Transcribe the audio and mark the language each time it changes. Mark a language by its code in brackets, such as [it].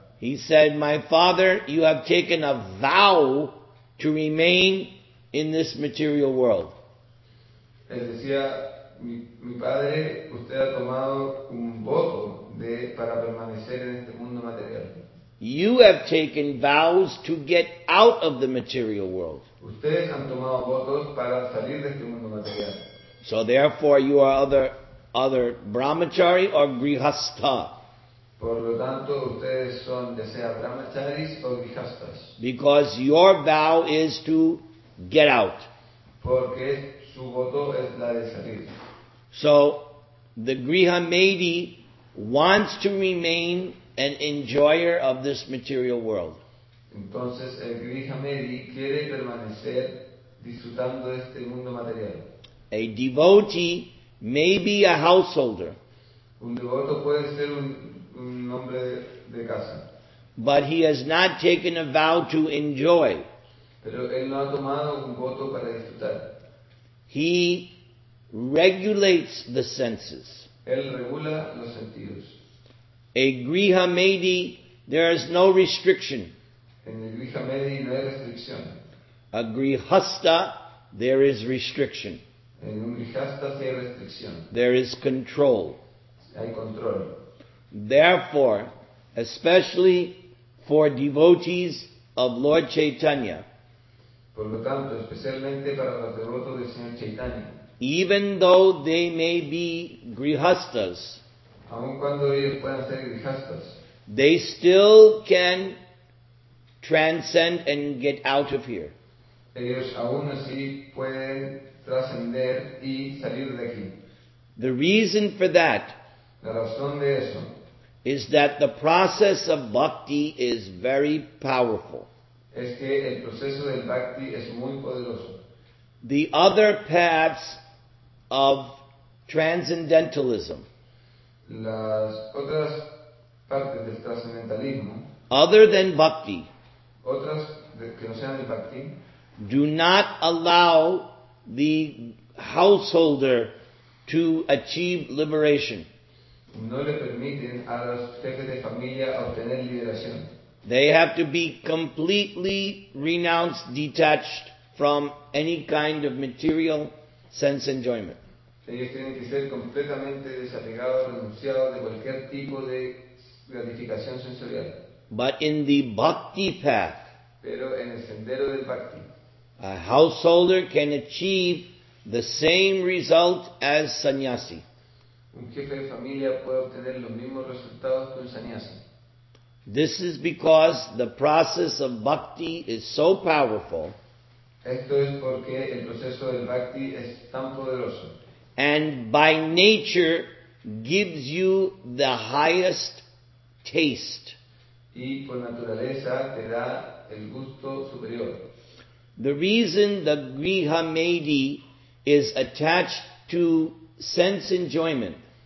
[en] He said, "My father, you have taken a vow to remain in this material world." [es] Él decía, mi padre, usted ha tomado un voto para permanecer en este mundo material. [en] You have taken vows to get out of the material world. [es] Ustedes han tomado votos para salir de este mundo material. [en] So therefore you are other brahmachari or grihastha. [es] Por lo tanto, ustedes son ya sea brahmacharis o grihastas. [en] Because your vow is to get out. [es] Porque su voto es la de salir. [en] So, the griha medhi wants to remain an enjoyer of this material world. [es] Entonces, el griha medhi quiere permanecer disfrutando de este mundo material. [en] A devotee may be a householder. [es] Un devoto puede ser un hombre de casa. [en] But he has not taken a vow to enjoy. [es] Pero él no ha tomado un voto para disfrutar. [en] He regulates the senses. [es] Él regula los sentidos. [en] A griha medhi, there is no restriction. [es] En el griha medhi no hay restricción. [en] A grihastha, there is restriction. [es] En un grihastha sí hay restricción. [en] There is control. [es] Hay control. [en] Therefore, especially for devotees of Lord Chaitanya, [es] por lo tanto, especialmente para los devotos del Señor Chaitanya, [en] even though they may be grihastas, [es] aun cuando ellos puedan ser grihastas, [en] they still can transcend and get out of here. [es] Ellos aún así pueden trascender y salir de aquí. [en] The reason for that, [es] la razón de eso, [en] is that the process of bhakti is very powerful. [es] Es que el proceso del bhakti es muy poderoso. [en] The other paths of transcendentalism, [es] las otras partes del transcendentalismo, [en] other than bhakti, [es] otras que no sean el bhakti, [en] do not allow the householder to achieve liberation. [es] No le permiten a los jefes de familia obtener liberación. [en] They have to be completely renounced, detached from any kind of material sense enjoyment. [es] Ellos tienen que ser completamente desapegados, renunciados de cualquier tipo de gratificación sensorial. [en] But in the bhakti path, [es] pero en el sendero del bhakti, [en] a householder can achieve the same result as sannyasi. [es] Un jefe de familia puede obtener los mismos resultados que un sannyasi. [en] This is because the process of bhakti is so powerful. [es] Esto es porque el proceso del bhakti es tan poderoso. [en] And by nature gives you the highest taste. [es] Y por naturaleza te da el gusto superior. [en] The reason the Grihamedi is attached to sense enjoyment,